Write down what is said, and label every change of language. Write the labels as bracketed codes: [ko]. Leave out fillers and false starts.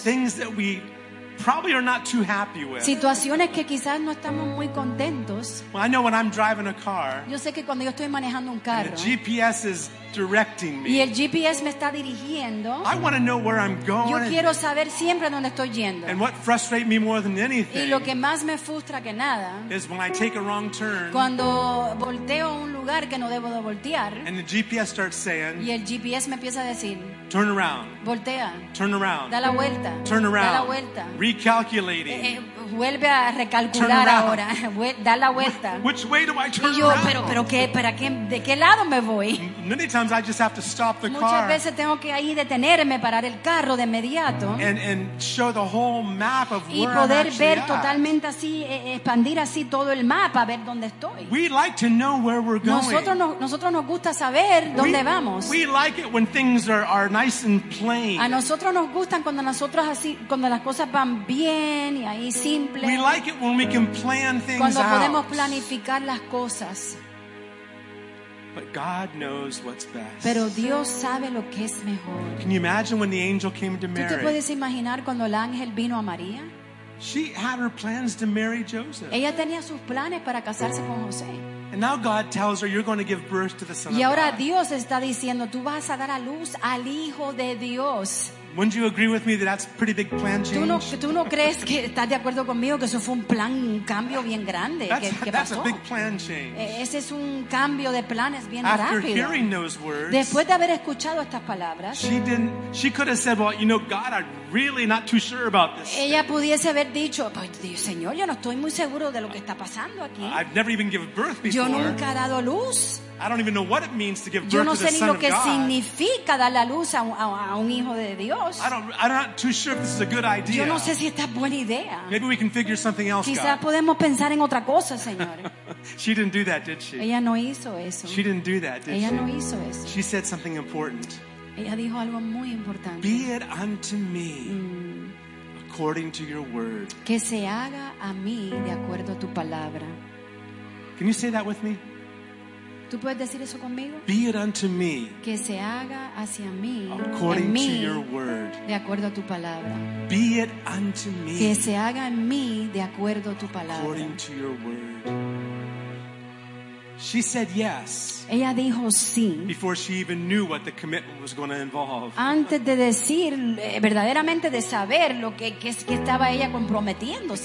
[en] Things that we probably are not too happy with. [es] Situaciones que quizás no estamos muy contentos. [en] Well, I know when I'm driving a car. [es] Yo sé que cuando yo estoy manejando un carro. [en] And the GPS is directing me. [es] Y el GPS me está dirigiendo. [en] I want to know where I'm going. [es] Yo quiero saber siempre dónde estoy yendo. [en] And what frustrates me more than anything. [es] Y lo que más me frustra que nada. [en] Is when I take a wrong turn. [es] Cuando volteo a un lugar que no debo de voltear. [en] And the GPS starts saying. [es] Y el GPS me empieza a decir. [en] Turn around. [es] Voltea. [en] Turn around. [es] Da la vuelta. [en] Turn around. [es] Da la vuelta. [en] Recalculating. [es] Vuelve a recalcular ahora. Da la vuelta. [en] Which way do I turn [es] y yo, [en] around? [es] Pero qué, para qué, ¿de qué lado me voy? [en] Many times I just have to stop the [es] muchas [en] car. [es] Veces tengo que ahí detenerme, parar el carro de inmediato. [en] And show the whole map of [es] y poder [en] where I'm [es] ver [en] at. [es] Totalmente así, expandir así todo el mapa, ver dónde estoy. [en] We like to know where we're going. [es] Nosotros nos gusta saber dónde vamos. [en] We like it when things are nice and plain. [es] A nosotros nos gustan cuando nosotros así, cuando las cosas van bien y ahí sí. [en] We like it when we can plan things [es] cuando [en] out. [es] Podemos planificar las cosas. [en] But God knows what's best. [es] Pero Dios sabe lo que es mejor. [en] Can you imagine when the angel came to Mary? [es] ¿Tú te puedes imaginar cuando el ángel vino a María? [en] She had her plans to marry Joseph. [es] Ella tenía sus planes para casarse con José. [en] And now God tells her, you're going to give birth to the Son of God. [es] Y ahora Dios está diciendo, tú vas a dar a luz al Hijo de Dios. [en] Wouldn't you agree with me that that's a pretty big plan change? [es] ¿Tú no crees que estás de acuerdo conmigo que eso fue un plan, un cambio bien grande? [en] That's a big plan change. [es] Ese es un cambio de planes bien [en] after [es] rápido. [en] After hearing those words, [es] después de haber escuchado estas palabras, [en] she could have said, well, you know, God, I'm really not too sure about this. [es] Ella pudiese haber dicho, pues, Señor, yo no estoy muy seguro de lo que está pasando aquí. [en] I've never even given birth before. [es] Yo nunca he dado luz. [en] I don't even know what it means to give birth [es] no sé [en] to the Son of God. [es] Significa dar la luz a un hijo de Dios. [en] I'm not too sure if this is a good idea. [es] Yo no sé si esta es buena idea. [en] Maybe we can figure something else, [es] quizás [en] God. [es] Podemos pensar en otra cosa, Señor. [en] She didn't do that, did she? [es] Ella no hizo eso. [en] She didn't do that, did [es] ella [en] she? [es] No hizo eso. [en] She said something important. [es] Ella dijo algo muy importante. [en] Be it unto me according to your word. [es] Que se haga a mí de acuerdo a tu palabra. [en] Can you say that with me? [es] ¿Tú puedes decir eso conmigo? [en] Be it unto me. [es] Que se haga hacia mí. [en] According [es] en mí, [en] to your word. [es] De acuerdo a tu palabra. [en] Be it unto me. [es] Que se haga en mí de acuerdo a tu palabra. [en] According to your word. She said yes. [es] Ella dijo sí. [en] Before she even knew what the commitment was going to involve. [es] Antes de decir verdaderamente de saber lo que estaba ella comprometiéndose.